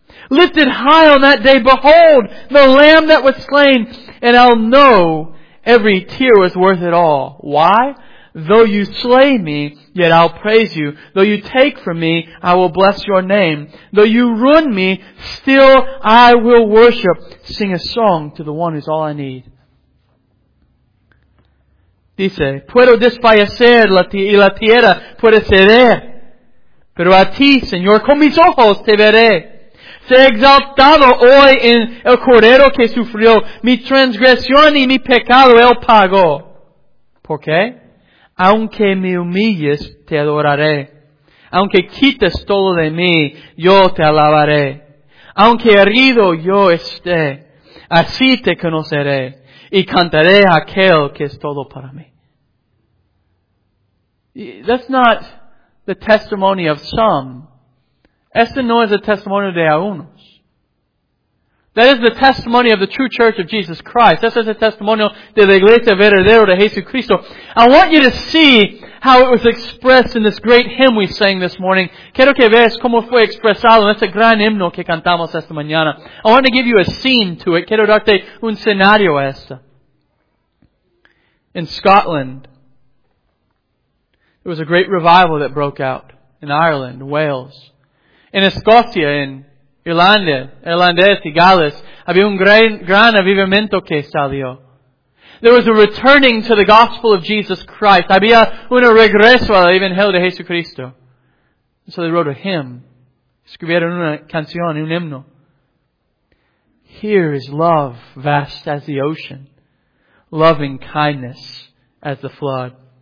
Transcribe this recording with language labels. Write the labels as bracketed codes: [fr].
[en] Lifted high on that day, behold, the Lamb that was slain, and I'll know every tear was worth it all. Why? Though you slay me, yet I'll praise you. Though you take from me, I will bless your name. Though you ruin me, still I will worship. Sing a song to the one who's all I need. [es] Dice, puedo desfallecer y la tierra puede ceder. Pero a ti, Señor, con mis ojos te veré. Se exaltado hoy en el cordero que sufrió. Mi transgresión y mi pecado él pagó. ¿Por qué? Aunque me humilles, te adoraré. Aunque quites todo de mí, yo te alabaré. Aunque herido yo esté, así te conoceré. Y cantaré aquel que es todo para mí. [en] That's not the testimony of some. [es] Este no es el testimonio de algunos. [en] That is the testimony of the true church of Jesus Christ. [es] Eso es el testimonio de la iglesia verdadera de Jesucristo. [en] I want you to see how it was expressed in this great hymn we sang this morning. [es] Quiero que veas cómo fue expresado en este gran himno que cantamos esta mañana. [en] I want to give you a scene to it. [es] Quiero darte un escenario a esto. [en] In Scotland, there was a great revival that broke out in Ireland, Wales. [es] In Escocia, in Irlanda, Irlandés y Gales, había un gran avivamiento que salió. [en] There was a returning to the gospel of Jesus Christ. [es] Había un regreso al evangelio de Jesucristo. [en] So they wrote a hymn. [es] Escribieron una canción, un himno. [en] Here is love vast as the ocean, loving kindness as the flood.